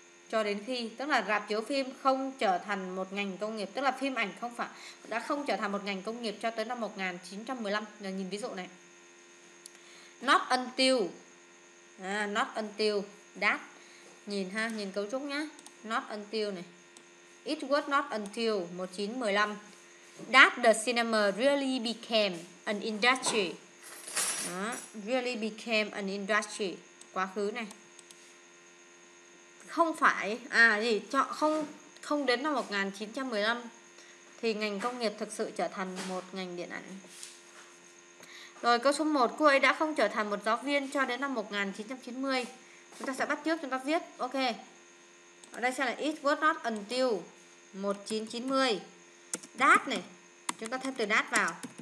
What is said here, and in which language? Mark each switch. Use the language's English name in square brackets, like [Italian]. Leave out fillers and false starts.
[Vietnamese] Cho đến khi, tức là rạp chiếu phim không trở thành một ngành công nghiệp. Tức là phim ảnh không phải, đã không trở thành một ngành công nghiệp cho tới năm 1915. Nhờ nhìn ví dụ này. [English] Not until. [Vietnamese] À, [English] not until that. [Vietnamese] Nhìn ha, nhìn cấu trúc nhá. [English] Not until [Vietnamese] này. [English] It was not until 1915 that the cinema really became an industry. [Vietnamese] Đó, [English] really became an industry. [Vietnamese] Quá khứ này. Không phải, à gì, không đến năm 1915 thì ngành công nghiệp thực sự trở thành một ngành điện ảnh. Rồi câu số 1, cô ấy đã không trở thành một giáo viên cho đến năm 1990. Chúng ta sẽ bắt chước, chúng ta viết. Ok. Ở đây sẽ là [English] it was not until 1990. [Vietnamese] That này, chúng ta thêm từ that vào.